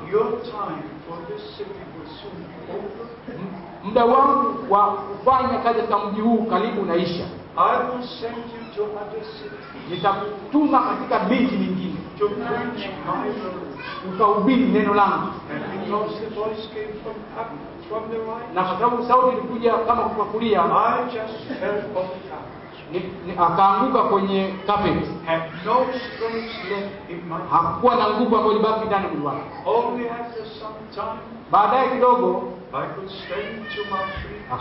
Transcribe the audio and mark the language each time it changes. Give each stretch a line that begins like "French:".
English: Your time for this city will soon be over.
Swahili: Muda wangu wa kufanya kazi katika mji huu karibu unaisha.
English: I will send you to other cities.
Swahili: Nitakutuma katika miji mingine.
English: To preach my word.
Swahili: Utahubiri neno langu.
English: And because the voice came from up, from the right.
Swahili: Na kwa sababu sauti ilikuja kama kutoka kulia.
English: I just fell off the couch.
Swahili: Akaanguka kwenye carpet.
English: Had no strength left in my.
Swahili: Hakuwa na nguvu ambayo ilibaki ndani ya mwili.
English: Only after some time.
Swahili: Baadaye kidogo.
English: I could stand to my feet.